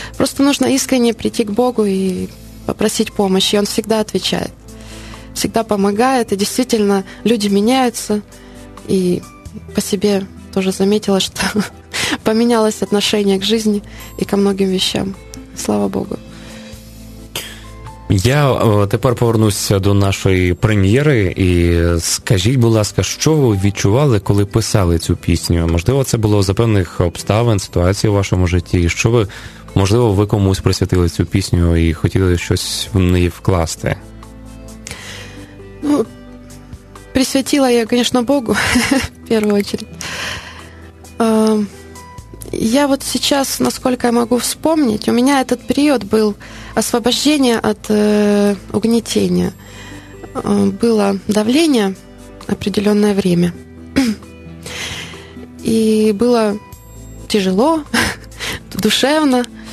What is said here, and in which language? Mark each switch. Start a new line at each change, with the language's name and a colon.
Russian: Просто нужно искренне прийти к Богу и попросить помощи. И Он всегда отвечает, всегда помогает. И действительно, люди меняются. И по себе тоже заметила, что поменялось отношение к жизни и ко многим вещам. Слава Богу.
Ukrainian: Я тепер повернуся до нашої прем'єри. І скажіть, будь ласка, що ви відчували, коли писали цю пісню? Можливо, це було за певних обставин, ситуацій у вашому житті. І що ви, можливо, ви комусь присвятили цю пісню і хотіли щось в неї вкласти? Ну, присвятила я, звісно, Богу, в першу чергу.
Russian: Я вот сейчас, насколько я могу вспомнить, у меня этот период был освобождение от угнетения. Было давление определенное время. И было тяжело, душевно.